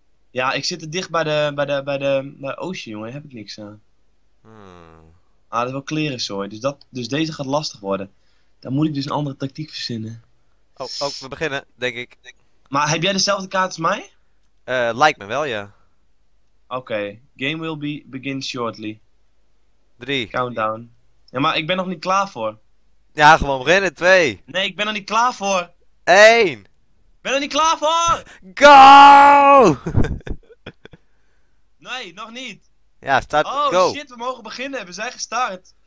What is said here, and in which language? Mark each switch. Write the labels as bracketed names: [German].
[Dutch] Ja, ik zit er dicht bij de ocean, jongen. Daar heb ik niks aan. Dat is wel klerenzooi. Dus deze gaat lastig worden. Dan moet ik dus een andere tactiek verzinnen. Oh, we beginnen, denk ik. Maar heb jij dezelfde kaart als mij? Lijkt me wel, ja. Oké. [English] Game will begin shortly. [Dutch] 3. [English] Countdown. [Dutch] Ja, maar ik ben nog niet klaar voor. Ja, gewoon beginnen. 2. Nee, ik ben nog niet klaar voor. 1. Ben je er niet klaar voor? [English] Go! [Dutch] Nee, nog niet. Ja, start. Oh, [English] go. [Dutch] Shit, we mogen beginnen. We zijn gestart.